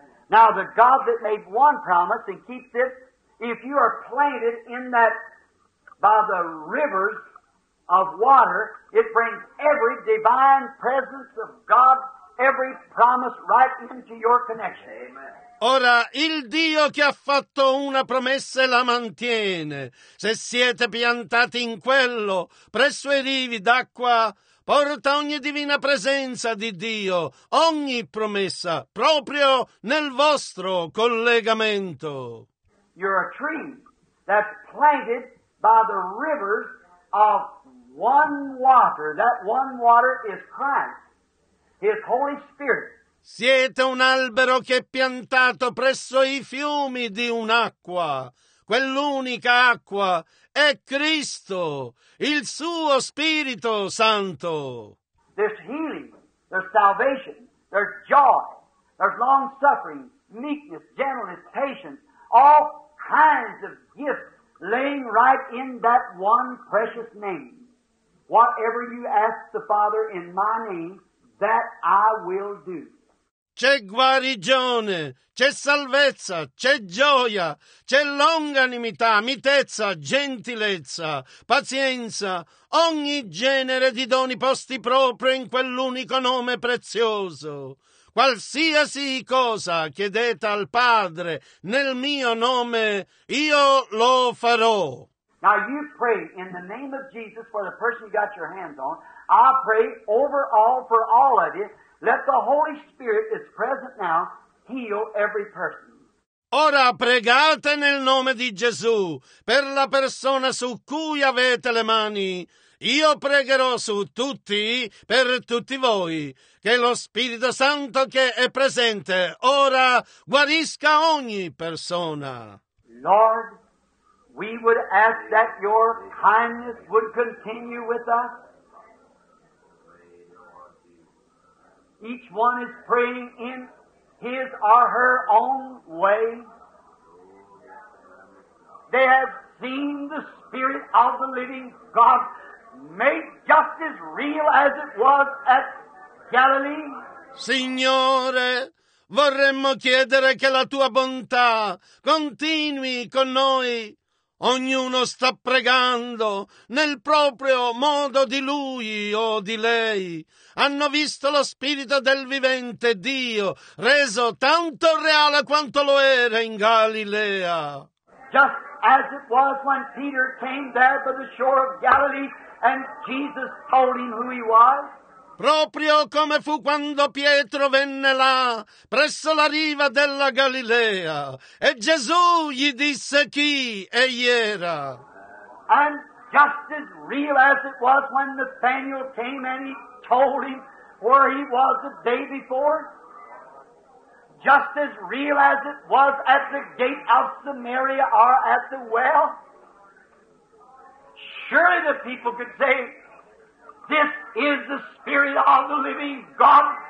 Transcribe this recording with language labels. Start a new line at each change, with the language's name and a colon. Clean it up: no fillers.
English: Now the God that made one promise and keeps it, if you are planted in that by the rivers of water, it brings every divine presence of God, every promise right into your connection. Amen.
Italian: Ora, il Dio che ha fatto una promessa e la mantiene. Se siete piantati in quello, presso i rivi d'acqua, porta ogni divina presenza di Dio, ogni promessa, proprio nel vostro collegamento.
English: You're a tree that's planted by the rivers of one water, that one water is Christ, His Holy Spirit.
Italian: Siete un albero che è piantato presso i fiumi di un'acqua. Quell'unica acqua è Cristo, il suo Spirito Santo.
English: There's healing, there's salvation, there's joy, there's long suffering, meekness, gentleness, patience, all kinds of gifts laying right in that one precious name. Whatever you ask the Father in my name, that I will do.
Italian: C'è guarigione, c'è salvezza, c'è gioia, c'è longanimità, mitezza, gentilezza, pazienza, ogni genere di doni posti proprio in quell'unico nome prezioso. Qualsiasi cosa chiedete al Padre nel mio nome, io lo farò.
English: Now you pray in the name of Jesus for the person you got your hands on. I pray over all for all of you. Let the Holy Spirit that's present now heal every person.
Italian: Ora pregate nel nome di Gesù per la persona su cui avete le mani. Io pregherò su tutti, per tutti voi, che lo Spirito Santo che è presente ora guarisca ogni persona.
English: Lord, we would ask that your kindness would continue with us. Each one is praying in his or her own way. They have seen the Spirit of the living God made just as real as it was at Galilee.
Italian: Signore, vorremmo chiedere che la tua bontà continui con noi. Ognuno sta pregando nel proprio modo di lui o di lei. Hanno visto lo Spirito del vivente Dio reso tanto reale quanto lo era in Galilea.
English: Just as it was when Peter came there to the shore of Galilee and Jesus told him who he was.
Italian: Proprio come fu quando Pietro venne là, presso la riva della Galilea, e Gesù gli disse chi egli era.
English: And just as real as it was when Nathanael came and he told him where he was the day before, just as real as it was at the gate of Samaria or at the well, surely the people could say, this is the Spirit of the living God.